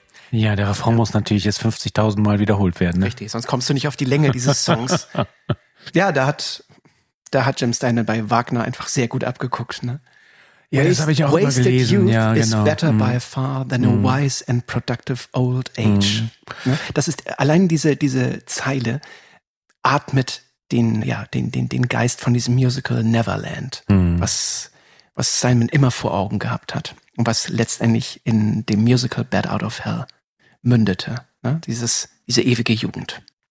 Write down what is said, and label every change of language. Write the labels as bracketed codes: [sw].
[de] Ja, der Refrain muss natürlich jetzt 50.000 Mal wiederholt werden. Ne? Richtig, sonst kommst du nicht auf die Länge dieses Songs. Ja, da hat Jim Steinman bei Wagner einfach sehr gut abgeguckt. Ne? Ja, das habe ich auch mal gelesen. [en] Wasted youth, [de] ja, genau. [en] Is better by far than a wise and productive old age. [de] Ne? Das ist allein diese Zeile atmet den Geist von diesem Musical Neverland, was Simon immer vor Augen gehabt hat. Und was letztendlich in dem Musical Bad Out of Hell mündete, ne? Diese ewige Jugend.